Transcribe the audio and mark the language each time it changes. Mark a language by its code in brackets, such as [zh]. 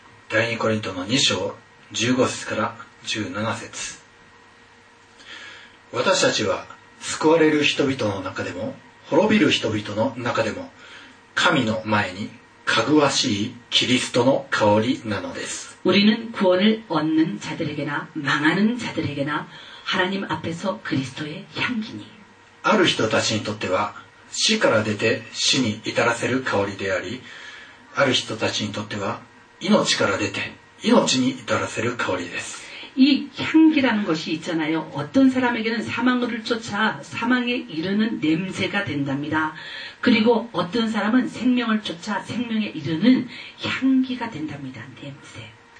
[ja] 第2コリントの2章15節から17節私たちは救われる人々の中でも滅びる人々の中でも神の前にかぐわしいキリストの香りなのです [ko] 우리는구원을얻는자들에게나망하는자들에게나하나님앞에서그리스도의향기니 [ja] ある人たちにとっては死から出て死に至らせる香りでありある人たちにとっては命から出て命に至らせる香りです [ko] 이향기라는것이있잖아요어떤사람에게는사망을쫓아사망에이르는냄새가된답니다그리고어떤사람은생명을쫓아생명에이르는향기가된답니다냄새